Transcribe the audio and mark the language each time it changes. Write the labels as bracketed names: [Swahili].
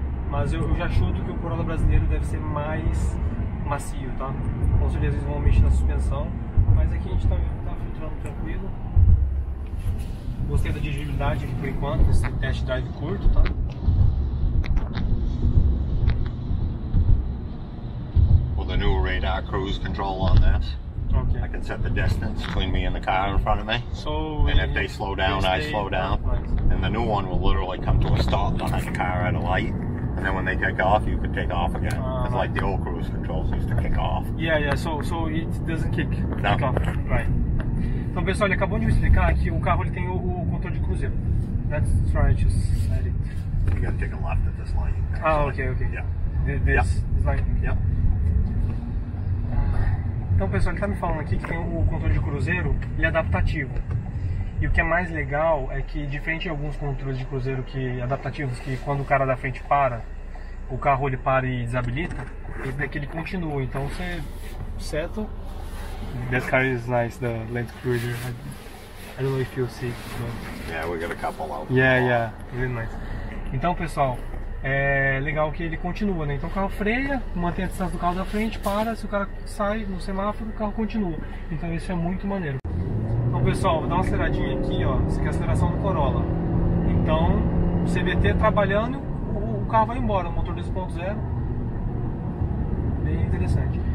[Portuguese] Mas eu já chuto que o Corolla brasileiro deve ser mais macio, tá? Com certeza eles vão mexer na suspensão, mas aqui a gente tá filtrando tranquilo. Gostei da dirigibilidade aqui por enquanto, esse test drive curto, tá? [English] With the new radar cruise control on this, okay. I can set the distance between me and the car in front of me. So and if they slow down, I slow down. And the new one will literally come to a stop behind the car at a light. And then when they take off, you can take off again. It's like the old cruise controls used to kick off. Yeah, so it doesn't kick. No. Kick off. Right. [Portuguese] Então, pessoal, ele acabou de me explicar que o carro ele tem o controle de cruzeiro. [English] Let's try to set it. You gotta take a left at this line. Ah, ok. Yeah. This line. Yeah. [Portuguese] Então, pessoal, ele tá me falando aqui que tem o controle de cruzeiro, ele é adaptativo. E o que é mais legal é que, diferente de alguns controles de cruzeiro que adaptativos, que quando o cara da frente para, o carro ele para e desabilita, esse daqui ele continua. Então, você seta. [English] This car is nice, the Land Cruiser. I don't know if you'll see. But... yeah, we got a couple out. Yeah, really nice. [Portuguese] Então, pessoal, é legal que ele continua, né? Então o carro freia, mantém a distância do carro da frente, para. Se o cara sai no semáforo, o carro continua. Então isso é muito maneiro. Então, pessoal, vou dar uma aceleradinha aqui, ó. Isso aqui é a aceleração do Corolla. Então, o CVT trabalhando, o carro vai embora, o motor 2.0. Bem interessante.